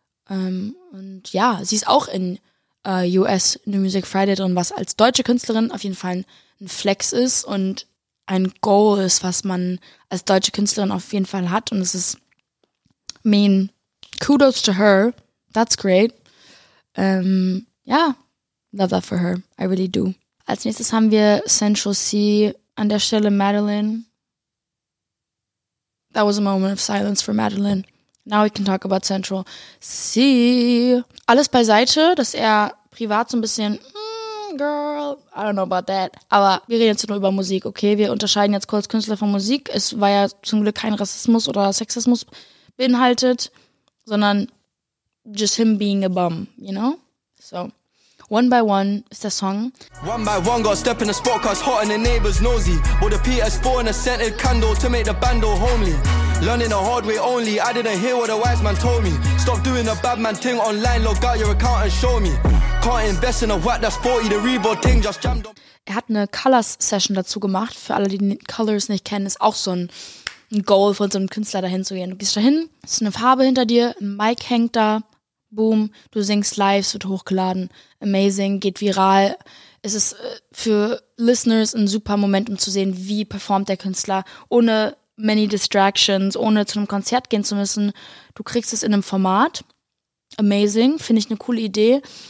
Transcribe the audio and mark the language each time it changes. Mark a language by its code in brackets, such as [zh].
[de] Und ja, sie ist auch in US New Music Friday drin, was als deutsche Künstlerin auf jeden Fall ein Flex ist und ein Goal ist, was man als deutsche Künstlerin auf jeden Fall hat. Und es ist, [en] I mean, kudos to her. That's great. Love that for her. I really do. [de] Als nächstes haben wir Central C. An der Stelle Madeline. [en] That was a moment of silence for Madeline. Now we can talk about Central C. [de] Alles beiseite, dass er privat so ein bisschen, [en] girl, I don't know about that. [de] Aber wir reden jetzt nur über Musik, okay? Wir unterscheiden jetzt kurz Künstler von Musik. Es war ja zum Glück kein Rassismus oder Sexismus beinhaltet, sondern [en] just him being a bum, you know? [de] So, One by One ist der Song. [en] One by one, gotta step in the spot, cause hot in the neighbor's nosy. Bought the PS4 and a scented candle to make the bando homely. Learning the hard way only, I didn't hear what a wise man told me. Stop doing a bad man thing online, log out your account and show me. Can't invest in a whack that's 40, the reboot thing just jammed up. [de] Er hat eine Colors-Session dazu gemacht, für alle, die Colors nicht kennen, ist auch so ein Goal von so einem Künstler dahin zu gehen. Du gehst dahin, ist eine Farbe hinter dir, ein Mic hängt da, boom, du singst live, es wird hochgeladen, amazing, geht viral. Es ist für Listeners ein super Moment, um zu sehen, wie performt der Künstler, ohne [en] many distractions, [de] ohne zu einem Konzert gehen zu müssen. Du kriegst es in einem Format, amazing, finde ich eine coole Idee.